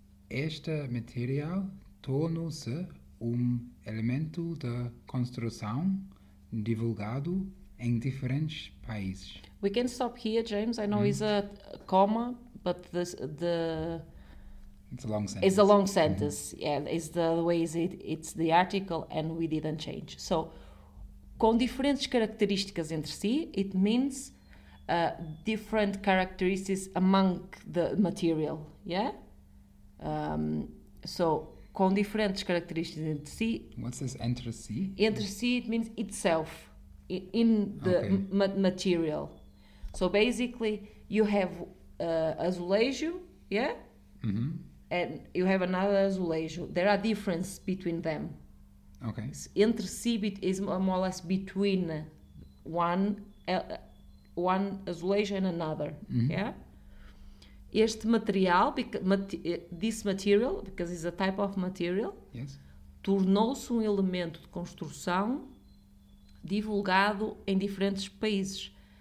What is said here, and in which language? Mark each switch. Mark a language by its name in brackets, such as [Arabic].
[Portuguese] Este material tornou-se elemento de construção divulgado em diferentes países. [English] We can stop here, James. I know it's a comma, but the it's a long sentence. It's a long sentence. Mm-hmm. Yeah, it's the way is it. It's the article, and we didn't change. So, [Portuguese] com diferentes características entre si, [English] it means different characteristics among the material. Yeah. [Portuguese] So, com diferentes características entre si. [English] What says entre si? [Portuguese] Entre si, [English] it means itself in the material. So basically, you have azulejo, yeah? Mm-hmm. And you have another azulejo. There are differences between them. Okay. It's entre si is more or less between one azulejo and another, yeah? [Portuguese] Este material, [English] this material, because it's a type of material, yes. [Portuguese] Tornou-se elemento de construção divulgado em diferentes países.